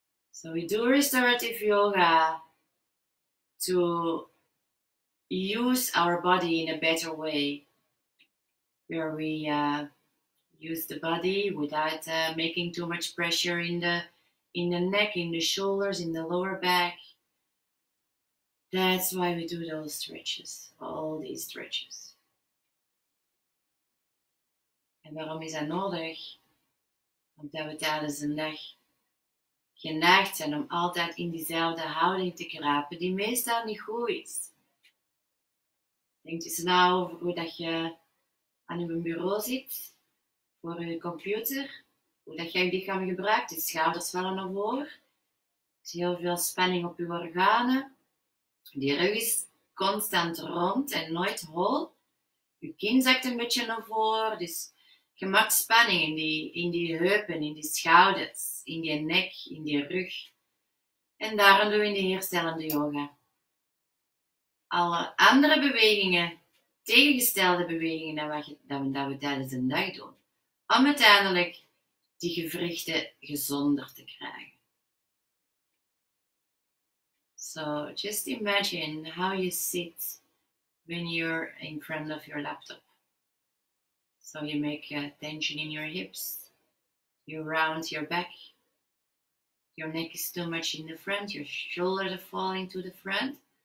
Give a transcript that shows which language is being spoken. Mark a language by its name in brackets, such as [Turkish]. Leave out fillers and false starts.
[English] So we do restorative yoga to use our body in a better way, where we use the body without making too much pressure in the neck, in the shoulders, in the lower back. That's why we do those stretches, all these stretches. [Dutch] En waarom is dat nodig? Omdat we tijdens een dag geneigd zijn om altijd in diezelfde houding te kruipen, die meestal niet goed is. Denk eens na over hoe dat je aan je bureau zit, voor je computer, hoe dat je je lichaam gebruikt. Je schouders vallen naar voren, er is heel veel spanning op je organen. Die rug is constant rond en nooit hol. Je kin zakt een beetje naar voren, dus je maakt spanning in die heupen, in die schouders, in die nek, in die rug. En daarom doen we in de herstellende yoga. Alle andere bewegingen, tegengestelde bewegingen dan wat we tijdens de dag doen. Om uiteindelijk die gewrichten gezonder te krijgen. [English] So, just imagine how you sit when you're in front of your laptop. So you make a tension in your hips. You round your back. Your neck is too much in the front. Your shoulders are falling to the front.